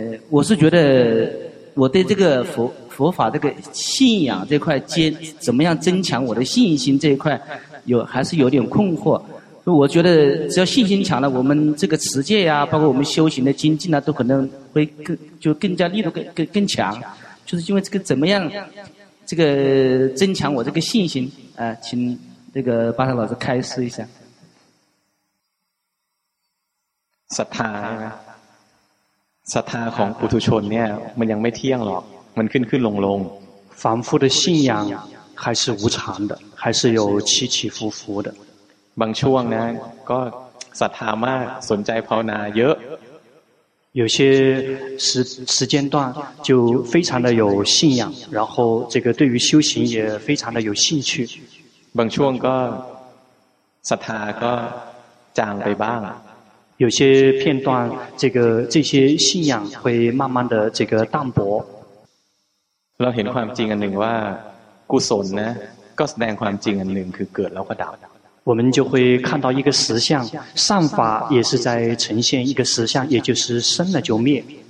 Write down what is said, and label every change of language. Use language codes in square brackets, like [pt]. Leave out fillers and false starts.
[zh] 我是觉得我对这个佛法这个信仰这块怎么样增强我的信心这一块还是有点困惑我觉得只要信心强了我们这个持戒呀、啊、包括我们修行的精进啊都可能会更加力度更强就是因为这个怎么样这个增强我这个信心请这个巴塔老师开示一下 [th] ศรัทธาใช่ไหมศรัทธาของปุถุชนเนี่ยมันยังไม่เที่ยงหรอกมันขึ้นลง [zh] 凡夫的信仰还是无常的还是有起起伏伏的 [th] บางช่วงนะก็ศรัทธามากสนใจภาวนาเยอะ [zh] 有些时间段就非常的有信仰然后这个对于修行也非常的有兴趣 [th] บางช่วงก็ศรัทธาก็จางไปบ้าง [zh] 有些片段这些信仰会慢慢的这个淡薄 [th] เราเห็นความจริงอันหนึ่งว่ากุศลนะก็แสดงความจริงอันหนึ่งคือเกิดแล้วก็ดับ [zh] 我们就会看到一个实相善法也是在呈现一个实相也就是生了就灭